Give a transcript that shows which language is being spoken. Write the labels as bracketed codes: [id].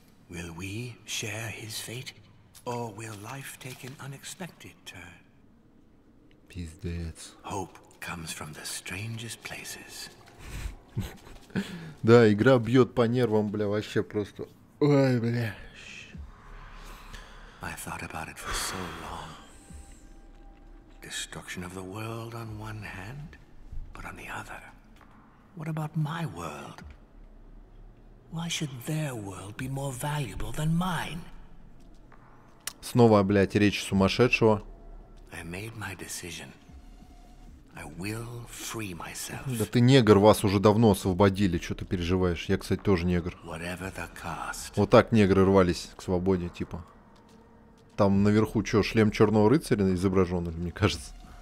[en] Will we share his fate, or will life take an unexpected turn? [ru] Пиздец. [en] Hope comes from the strangest places. [ru] Да, игра бьет по нервам, бля, вообще просто. Ой, бля. [en] I thought about it for so long. Destruction of the world on one hand, but on the other, what about my world? Why should their world be more valuable than mine? [ru] Снова, блядь, речь сумасшедшего. [en] I made my decision. I will free myself. [ru] Да ты негр, вас уже давно освободили, что ты переживаешь? Я, кстати, тоже негр. [en] Whatever the cost. [ru] Вот так негры рвались к свободе, типа. Там наверху что, шлем черного рыцаря изображен, мне кажется.